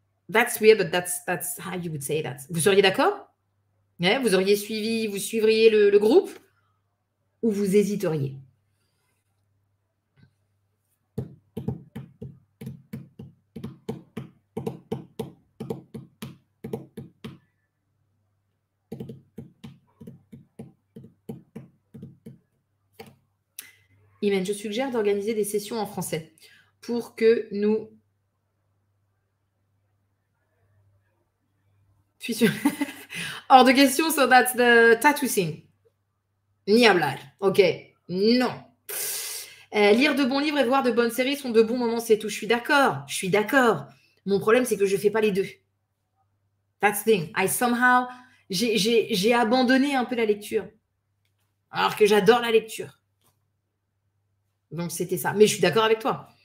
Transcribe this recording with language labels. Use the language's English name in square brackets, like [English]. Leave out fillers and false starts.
[English] That's weird, but that's how you would say that. [French] Vous seriez d'accord? Yeah, vous auriez suivi, vous suivriez le groupe? Ou vous hésiteriez? Imen, je suggère d'organiser des sessions en français pour que nous puissions... Hors de question, [English] so that's the tattoo scene. [Spanish] Ni hablar. Ok, non. [French] Lire de bons livres et voir de bonnes séries sont de bons moments, c'est tout. Je suis d'accord. Mon problème, c'est que je ne fais pas les deux. [English] That's the thing. [French] J'ai abandonné un peu la lecture. Alors que j'adore la lecture. Donc, c'était ça. Mais je suis d'accord avec toi.